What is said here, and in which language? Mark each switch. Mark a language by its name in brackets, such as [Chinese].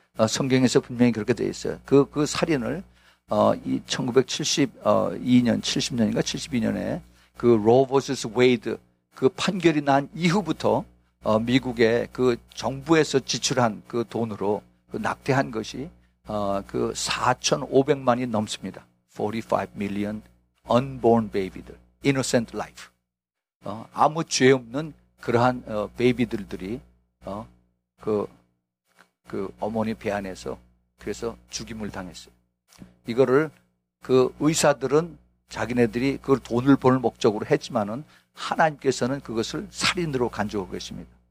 [Korean] 성경에서 분명히 그렇게 되어 있어요. 그 살인을 이 1972년 70년인가 72년에 그 로 버스 웨이드 그 판결이 난 이후부터 미국의 그 정부에서 지출한 그 돈으로 그 낙태한 것이 그 4,500만이 넘습니다. [English] 45 million unborn baby들, innocent life. [Korean] 아무 죄 없는 그러한 baby들이 그 어머니 배 안에서 그래서 죽임을 당했어요. 이거를 그 의사들은 자기네들이 그 돈을 벌 목적으로 했지만은 하나님께서는 그것을 살인으로 간주하고 계십니다.